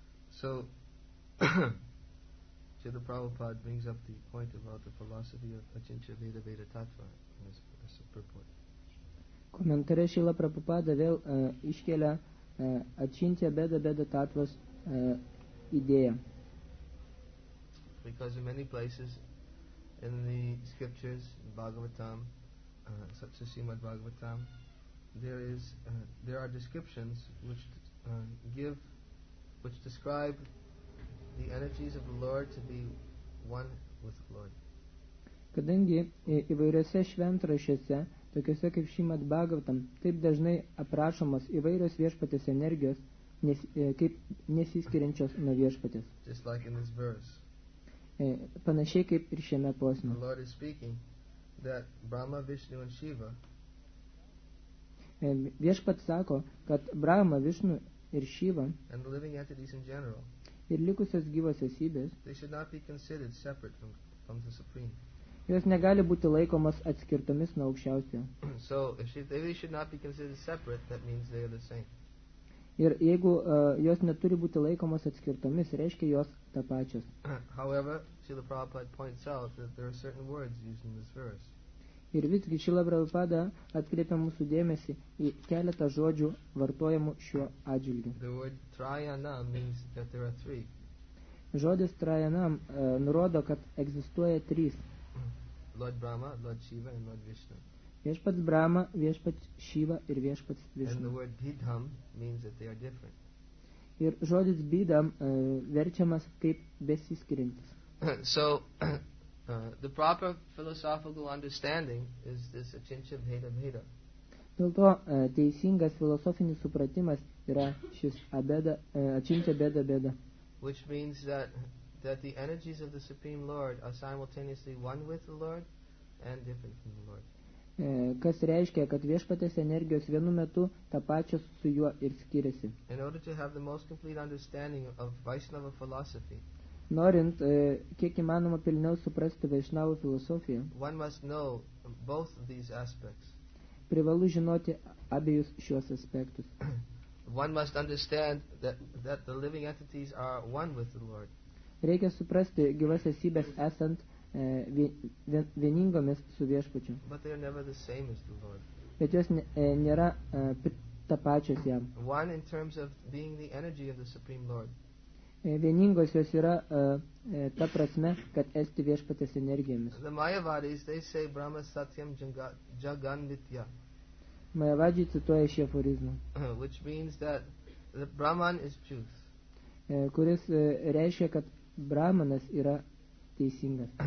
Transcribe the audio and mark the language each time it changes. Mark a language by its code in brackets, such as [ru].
[en] So the Prabhupada brings up the point about the philosophy of Achintya Bheda Abheda Tattva as a purport. [lt] Komentare Šrila Prabhupada vėl iškelia Achintya Bheda Abheda Tattvas idėją. [en] Because in many places in the scriptures, in Bhagavatam, such as Srimad Bhagavatam, there are descriptions which describe the energies of the Lord to be one with the Lord. [lt] Kadangi įvairiose šventrašiuose, tokiuose kaip Šrimad Bhagavatam, taip dažnai aprašomos įvairios viešpatės energijos, kaip nesiskiriančios nuo viešpatės. [en] Just like in this verse. [lt] Panašiai kaip ir šiame posme. [en] The Lord is speaking that Brahma, Vishnu and Shiva. [lt] Viešpats sako, kad Brahma, Vishnu ir Shiva [en] and the living entities in general [lt] ir likusios gyvos esybės [en] they should not be considered separate from the Supreme. [lt] jos negali būti laikomas atskirtomis nuo aukščiausio. [en] So, they should not be considered separate, that means they are the same. [lt] Ir jeigu jos neturi būti laikomos atskirtomis, reiškia jos tą pačios. [en] However, Srila Prabhupada points out that there are certain words used in this verse. [lt] Ir visgi Srila Prabhupada atkreipia mūsų dėmesį į keletą žodžių vartojamų šiuo atžvilgiu. [en] The word trayanam means that there are three. [lt] Žodis trayanam nurodo, kad egzistuoja trys. [en] Lord Brahma, Lord Shiva and Lord Vishnu. [lt] Viešpats Brahma, viešpats Shiva ir viešpats Vishnu. [en] And the word bidham means that they are different. [lt] Ir žodis bidham verčiamas kaip besiskiriantis. [en] So, the proper philosophical understanding is this achincha bheda bheda. [lt] Dėl to teisingas filosofinis supratimas yra šis achincha bheda bheda. [en] Which means that the energies of the Supreme Lord are simultaneously one with the Lord and different from the Lord. [lt] Kas reiškia, kad viešpatės energijos vienu metu tą pačią su juo ir skiriasi. [en] In order to have the most complete understanding of Vaishnava philosophy, [lt] norint kiek įmanoma pilniau suprasti Vaishnava filosofiją, [en] one must know both of these aspects. [lt] Privalu žinoti abiejus šiuos aspektus. [en] One must understand that the living entities are one with the Lord. [lt] Reikia suprasti gyvas esybės esant vieningomis su viešpačiu. [en] But they are never the same as the Lord. [lt] Bet jos nėra tą pačios jam. [en] One in terms of being the energy of the Supreme Lord. [lt] Vieningos jos yra ta prasme, kad esti viešpatės energijomis. [en] The Mayavadis, they say [sa] Brahma Satyam Jagan Nitya. [lt] Mayavadžiai cituoja šį aforizmą. [en] Which means that the Brahman is truth. [lt] Kuris reiškia, kad Brahmanas yra teisingas.